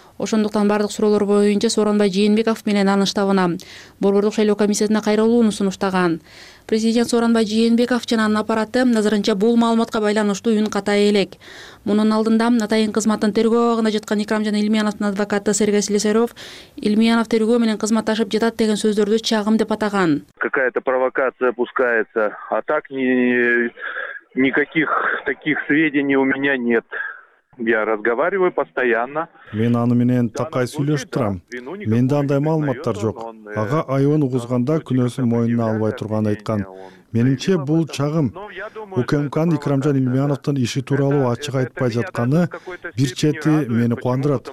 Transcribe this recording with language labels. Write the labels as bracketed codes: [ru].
[ky] Ошондуктан бардык суроолор боюнча Сооронбай Жээнбеков менен анын штабына борбордук шайлоо комиссиясына кайрылууну сунуштаган. Президент Сооронбай Жээнбеков жана анын аппараты азырынча бул маалыматка байланыштуу үн ката элек. Мунун алдында атайын кызматтын тергөө абагында жаткан Икрамжан Илмияновдун адвокаты Сергей Слесаров Илмиянов тергөө менен кызматташып жатат деген сөздөрдү чагым деп атаган. [ru] Какая-то провокация пускается, а так не Никаких таких сведений у меня нет. Я разговариваю постоянно. [ky] Мен аны менен такай сүйлөшүп турам. Менде андай маалыматтар жок. Ага айыбын угузганда күнөөсүн мойнуна албай турганын айткан. Менимче бул чагым УКМКнын Икрамжан Илмияновдун иши тууралуу ачык айтпай жатканы бир чети мени кубандырат.